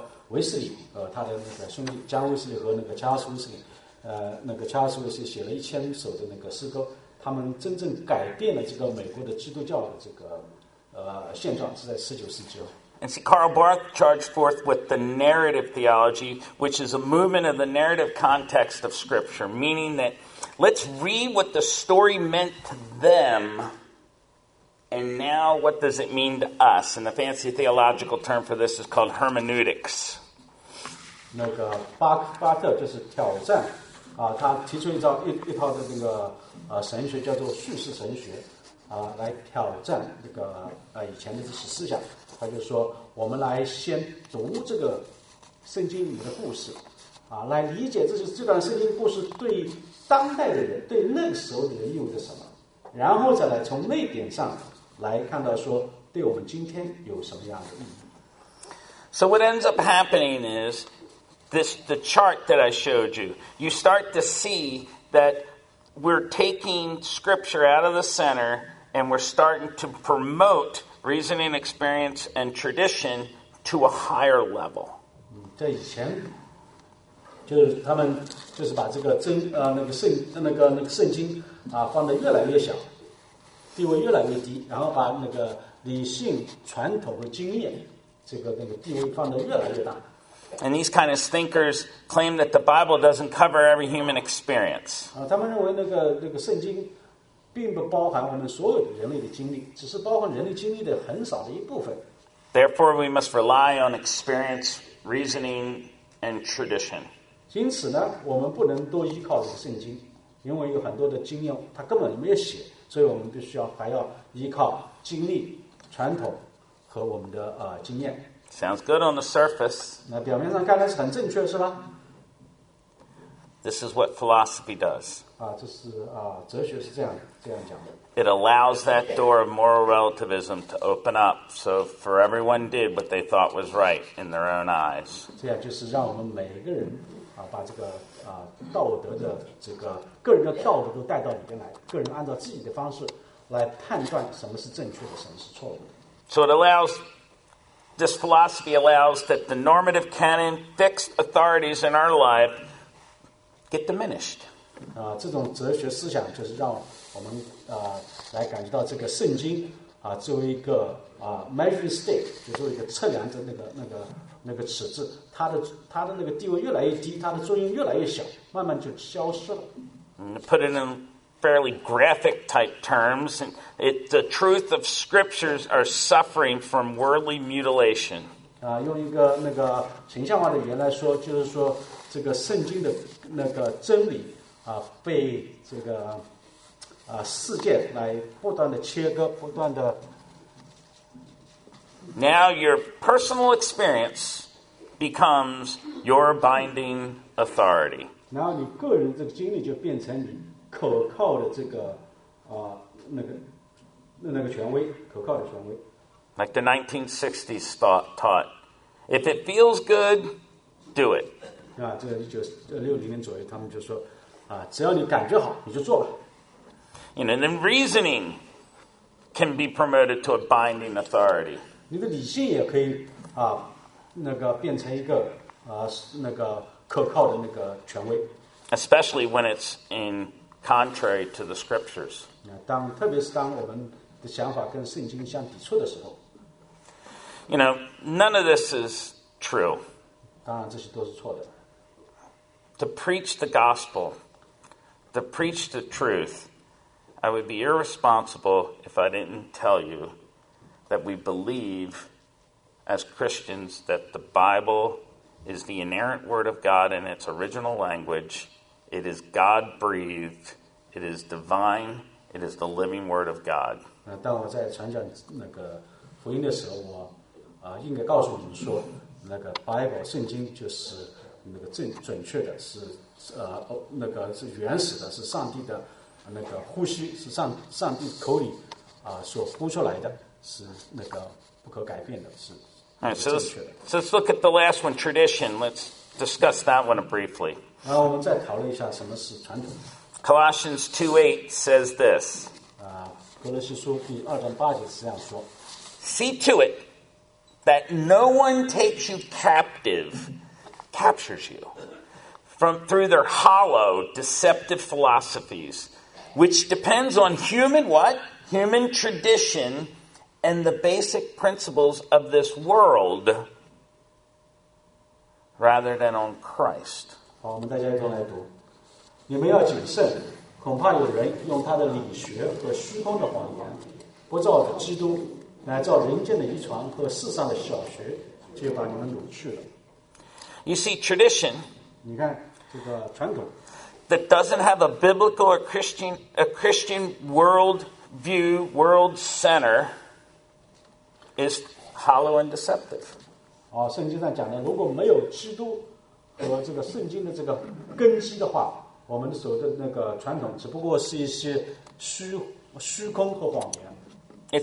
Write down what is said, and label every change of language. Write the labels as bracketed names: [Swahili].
[Chinese] 威斯利他的那个兄弟，John Wesley和那个查尔斯威斯利。那个查尔斯威斯写了1000首的那个诗歌，他们真正改变了这个美国的基督教的这个现状是在十九世纪。 [English] And see, Karl Barth charged forth with the narrative theology, which is a movement of the narrative context of Scripture, meaning that let's read what the story meant to them, and now what does it mean to us? And the fancy theological term for this is called hermeneutics. [Chinese] 那个巴巴特就是挑战啊，他提出一套的那个神学叫做叙事神学啊，来挑战这个以前的这些思想。他就说，我们来先读这个圣经里的故事啊，来理解这段圣经故事对当代的人，对那个时候的人意味着什么，然后再来从那点上来看到说对我们今天有什么样的意义。 [English] So what ends up happening is this, the chart that I showed you, you start to see that we're taking scripture out of the center and we're starting to promote reasoning, experience, and tradition to a higher level. [Chinese] 在以前，就是他们就是把这个真那个圣那个那个圣经啊放得越来越小，地位越来越低，然后把那个理性传统和经验这个那个地位放得越来越大。 [English] And these kind of thinkers claim that the Bible doesn't cover every human experience. [Chinese] 啊，他们认为那个圣经。并不包含我们所有人类的经历，只是包含人类经历的很少的一部分。 [English] Therefore, we must rely on experience, reasoning, and tradition. [Chinese] 因此呢，我们不能多依靠这个圣经，因为有很多的经验它根本没有写，所以我们必须要还要依靠经历、传统和我们的经验。 [English] Sounds good on the surface. [Chinese] 那表面上看来是很正确，是吧？ [English] This is what philosophy does. [Chinese] 啊，这是啊，哲学是这样讲的。 [English] It allows that door of moral relativism to open up, so for everyone did what they thought was right in their own eyes. [Chinese] 这样就是让我们每一个人啊，把这个啊道德的这个个人的跳舞都带到里面来，个人按照自己的方式来判断什么是正确的，什么是错误的。 [English] So it allows. This philosophy allows that the normative canon, fixed authorities in our life, get diminished. [Chinese] 这种哲学思想就是让我们来感觉到这个圣经作为一个 [English] measuring stick, [Chinese] 就作为一个测量的那个尺子，它的那个地位越来越低，它的作用越来越小，慢慢就消失了。 [English] Put it in fairly graphic type terms, and it, the truth of scriptures are suffering from worldly mutilation. [Chinese] 用一个那个形象化的语言来说，就是说这个圣经的那个真理被这个世界来不断的切割，不断的。 [English] Now your personal experience becomes your binding authority. [Chinese] 然后你个人这个经历就变成你。可靠的这个那个权威，可靠的权威。 [English] Like the 1960s taught, if it feels good, do it. [Chinese] 啊，这个1960年左右，他们就说，只要你感觉好，你就做吧。 [English] You know, then reasoning can be promoted to a binding authority. [Chinese] 你的理性也可以那个变成一个那个可靠的那个权威。 [English] Especially when it's in contrary to the scriptures. [Chinese] 特别是当我们的想法跟圣经相抵触的时候。 [English] You know, none of this is true. [Chinese] 当然这些都是错的。 [English] To preach the gospel, to preach the truth, I would be irresponsible if I didn't tell you that we believe as Christians that the Bible is the inerrant word of God in its original language. It is God breathed. It is divine. It is the living word of God. [Chinese] 当我在传讲那个福音的时候，我应该告诉你们说，那个 Bible 圣经就是那个准确的，是那个是原始的，是上帝的那个呼吸，是上帝口里所呼出来的，是那个不可改变的，是正确的。 [English] So let's look at the last one, tradition. Let's discuss that one briefly. [Chinese] 然后我们再讨论一下什么是传统。 [English] Colossians 2:8 says this. [Chinese] 格罗西书第二章八节是这样说。 [English] See to it that no one takes you captive, captures you, from through their hollow, deceptive philosophies, which depends on human what? Human tradition and the basic principles of this world rather than on Christ. [Chinese] 好，我们大家一同来读。你们要谨慎，恐怕有人用他的理学和虚空的谎言，不照着基督，乃照人间的遗传和世上的小学，就把你们掳去了。 [English] You see, tradition. [Chinese] 你看这个传统。 [English] That doesn't have a biblical or Christian world view, world center, is hollow and deceptive. [Chinese] 哦，圣经上讲的，如果没有基督和这个圣经的这个根基的话，我们所的那个传统只不过是一些虚空和谎言。